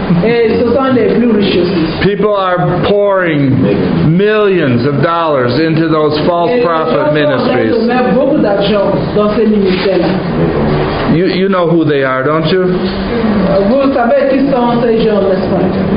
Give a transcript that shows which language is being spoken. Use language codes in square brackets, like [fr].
[fr] Et ce sont les plus riches. [en] People are pouring millions of dollars into those false prophet ministries. [fr] Et les gens sont en train de mettre beaucoup d'argent dans ces ministères-là. [en] You know who they are, don't you? [fr] Vous savez qui sont ces gens, n'est-ce pas?